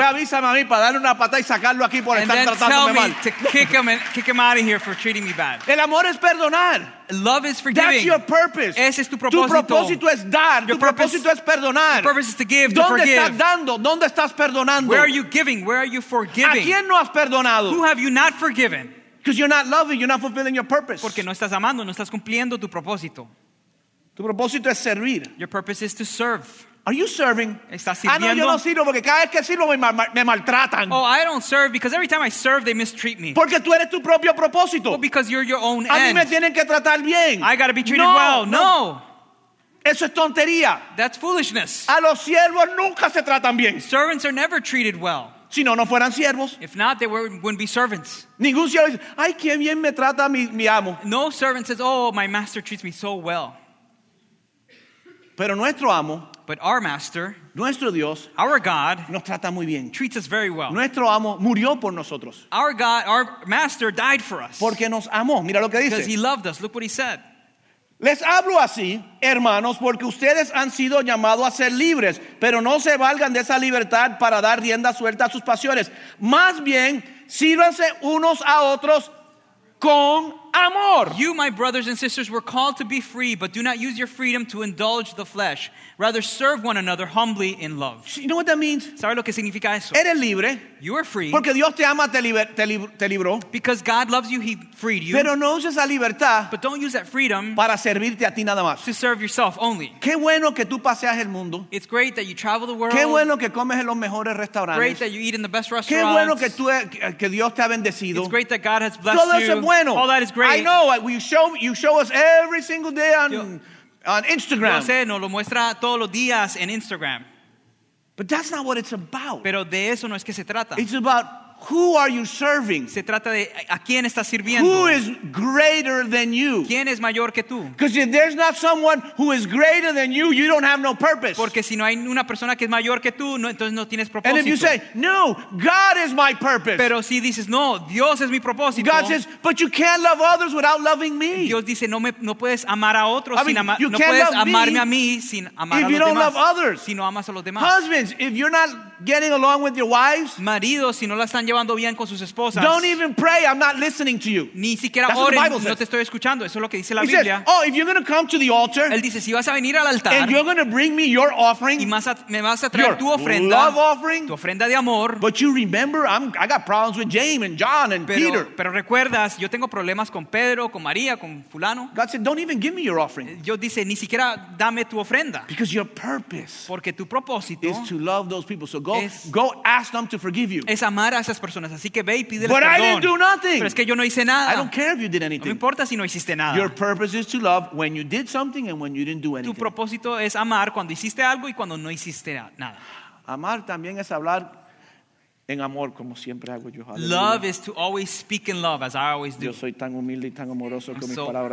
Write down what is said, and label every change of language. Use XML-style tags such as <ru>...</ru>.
<es>Y después avísame a mí para darle una patada y sacarlo aquí por estar tratándome mal.</es> <en>And then tell me to kick him out of here for treating me bad.</en> <es>El amor es perdonar.</es> <en>Love is forgiving. That's your purpose.</en> <es>Ese es tu propósito. Tu propósito es dar. Tu propósito es perdonar.</es> <en>Your purpose is to give,</en> <es>¿dónde</es> <en>to forgive?</en> <es>Estás dando? ¿Dónde estás perdonando?</es> <en>Where are you giving? Where are you forgiving?</en> <es>¿A quién no has perdonado?</es> <en>Who have you not forgiven? Because you're not loving, you're not fulfilling your purpose.</en> <es>Porque no estás amando, no estás cumpliendo tu propósito. Tu propósito es servir.</es> <en>Your purpose is to serve. Are you serving?</en> <es>¿Estás sirviendo? Ah, no, yo no sirvo porque cada vez que sirvo me maltratan.</es> <en>Oh, I don't serve because every time I serve they mistreat me.</en> <es>Porque tú eres tu propio propósito.</es> <en>Well, because you're your own end.</en> <es>A mí me tienen que tratar bien.</es> <en>I gotta be treated well. No.</en> <es>Eso es tontería.</es> <en>That's foolishness.</en> <es>A los siervos nunca se tratan bien.</es> <en>Servants are never treated well.</en> <es>Si no, no fueran siervos.</es> <en>If not, they wouldn't be servants.</en> <es>Ningún siervo dice, ay, qué bien me trata mi amo.</es> <en>No servant says, oh, my master treats me so well.</en> <es>Pero nuestro amo,</es> <en>but our master,</en> <es>nuestro Dios,</es> <en>our God,</en> <es>nos trata muy bien.</es> <en>Treats us very well.</en> <es>Nuestro amo murió por nosotros.</es> <en>Our God, our master died for us.</en> <es>Porque nos amó. Mira lo que dice.</es> <en>Because he loved us. Look what he said.</en> <es>Les hablo así, hermanos, porque ustedes han sido llamados a ser libres, pero no se valgan de esa libertad para dar rienda suelta a sus pasiones. Más bien, sírvanse unos a otros con amor.</es> <en>You, my brothers and sisters, were called to be free, but do not use your freedom to indulge the flesh. Rather, serve one another humbly in love. You know what that means?</en> <es>¿Sabes lo que significa eso? Eres libre.</es> <en>You are free.</en> <es>Porque Dios te ama, te libró.</es> <en>Because God loves you, he freed you.</en> <es>Pero no uses la libertad.</es> <en>But don't use that freedom</en> <es>para servirte a ti nada más.</es> <en>To serve yourself only.</en> <es>Qué bueno que tú paseas el mundo.</es> <en>It's great that you travel the world.</en> <es>Qué bueno que comes en los mejores restaurantes.</es> <en>Great that you eat in the best restaurants.</en> <es>Qué bueno que tú, que Dios te ha bendecido.</es> <en>It's great that God has blessed you.</en> <es>Todo eso es bueno.</es> <en>All that is great. I know, you show us every single day on Instagram.</en> <es>Yo sé, nos lo muestra todos los días en Instagram.</es> <en>But that's not what it's about.</en> <es>Pero de eso no es que se trata.</es> <en>It's about who are you serving?</en> <es>Se trata de a quién estás sirviendo.</es> <en>Who is greater than you?</en> <es>¿Quién es mayor que tú?</es> <en>Because if there's not someone who is greater than you, you don't have no purpose.</en> <es>Porque si no hay una persona que es mayor que tú, no, entonces no tienes propósito.</es> <en>And if you say, no, God is my purpose.</en> <es>Pero si dices, no, Dios es mi propósito.</es> <en>God says, but you can't love others without loving me.</en> <es>Dios dice, no puedes amar a otros sin amar.</es> <en>You can't</en> <es>no puedes amarme a mí sin amar a los demás.</es> <en>If you don't love others.</en> <es>Si no amas a los demás.</es> <en>Husbands, if you're not getting along with your wives.</en> <es>Maridos, si no la están llevando bien con sus esposas.</es> <en>Don't even pray. I'm not listening to you.</en> <es>Ni siquiera oren. No te estoy escuchando. Eso es lo que dice la Biblia.</es> <en>He says, oh, if you're going to come to the altar.</en> <es>Él dice, si vas a venir al altar.</es> <en>And you're going to bring me your offering.</en> <es>Y me vas a traer tu ofrenda.</es> <en>Your love offering.</en> <es>Tu ofrenda de amor.</es> <en>But you remember, I got problems with James and John and Peter.</en> <es>Pero recuerdas, yo tengo problemas con Pedro, con María, con fulano.</es> <en>God said, don't even give me your offering.</en> <es>Dios dice, ni siquiera dame tu ofrenda.</es> <en>Because your purpose.</en> <es>Porque tu propósito.</es> <en>Is to love those people. So go ask them to forgive you.</en> <es>Es amar a esas personas, así que ve y pídeles perdón.</es> <en>But I didn't do nothing.</en> <es>Pero es que yo no hice nada.</es> <en>I don't care if you did anything.</en> <es>No me importa si no hiciste nada.</es> <en>Your purpose is to love when you did something and when you didn't do anything.</en> <es>Tu propósito es amar cuando hiciste algo y cuando no hiciste nada. Amar también es hablar en amor como siempre hago yo. Hallelujah.</es> <en>Love is to always speak in love as I always do.</en> <es>Yo soy tan humilde y tan amoroso con mis palabras.</es>